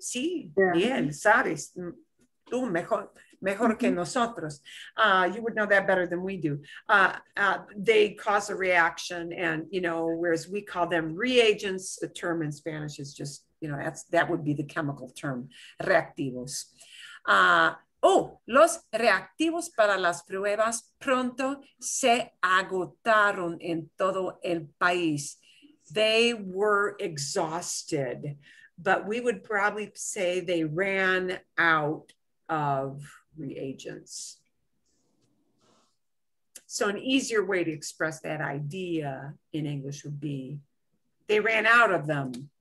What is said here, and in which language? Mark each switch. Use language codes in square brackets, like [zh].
[es] Sí, bien, sabes. Tú mejor que nosotros. [en] You would know that better than we do. They cause a reaction and, you know, whereas we call them reagents, the term in Spanish is just, you know, that would be the chemical term, reactivos. [es] Los reactivos para las pruebas pronto se agotaron en todo el país. [en] They were exhausted, but we would probably say they ran out of reagents. So an easier way to express that idea in English would be, they ran out of them.